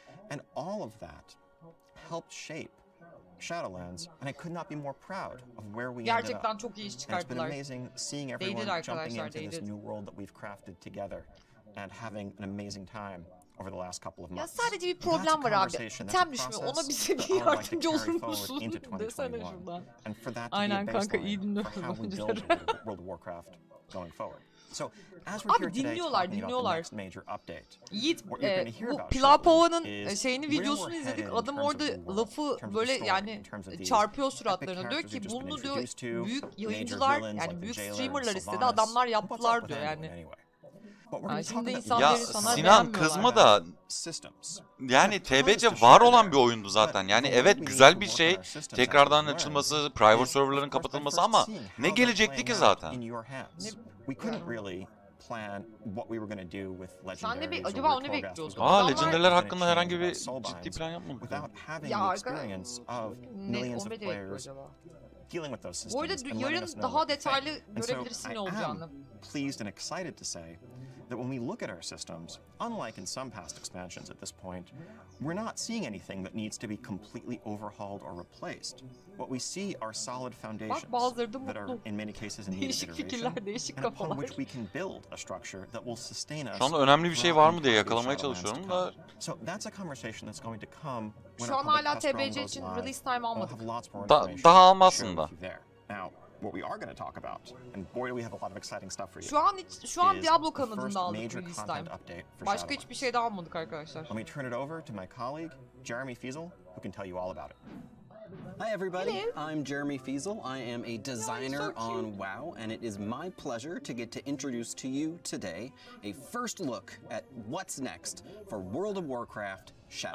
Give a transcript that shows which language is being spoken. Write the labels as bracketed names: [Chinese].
[English] And all of that helped shape Shadowlands, and I could not be more proud of where we [Turkish] gerçekten [English] ended up. [Turkish] Çok iyi iş çıkardılar. [English] And it's been amazing seeing everyone jumping into this new world that we've crafted together and having an amazing time over the last couple of months. [Turkish] Ya sadece bir problem var abi. İtem düşme, ona bize bir yardımcı olur musun? Desene şuradan. Aynen kanka, iyi dinliyorsun bence. [English] So, as we're [Turkish] abi dinliyorlar, dinliyorlar. Yiğit, bu Pilav Pova'nın şeyini, videosunu izledik. Adam orada lafı böyle yani çarpıyor suratlarına. Diyor ki bunu diyor büyük yayıncılar, yani büyük streamerlar istedi. Adamlar yaptılar diyor yani. Şimdi insanları sana Sinan kızma da. Yani TBC var olan bir oyundu zaten. Yani evet güzel bir şey. Tekrardan açılması, private serverların kapatılması ama ne gelecekti ki zaten? [English] We couldn't really plan what we were going to do with legendary. [Turkish] Aa, legendary'ler hakkında herhangi bir ciddi plan yapmadık. [English] Without having the experience of millions of players dealing with those systems. [Turkish] Bu arada yarın daha detaylı görebilirsin ne olacağını. [English] Pleased and excited to say that when we look at our systems, unlike in some past expansions at this point, we're not seeing anything that needs to be completely overhauled or replaced. What we see are solid foundations that are in many cases in need of iteration, and upon which we can build a structure that will sustain us. [Turkish] Şu anda önemli bir şey var mı diye yakalamaya çalışıyorum da. [English] So that's a conversation that's going to come. [Turkish] Şu an hala TBC için release time almadık. Daha almasında. [English] What we are going to talk about, and boy, do we have a lot of exciting stuff for you. [Turkish] Şu an Diablo kanadında aldık release time. Başka hiçbir şey daha almadık arkadaşlar. [English] Let me turn it over to my colleague, Jeremy Fiesel, who can tell you all about it. Hi everybody, hello. I'm Jeremy Fiesel. I am a designer on WoW, and it is my pleasure to get to introduce to you today a first look at what's next for World of Warcraft Shadowlands.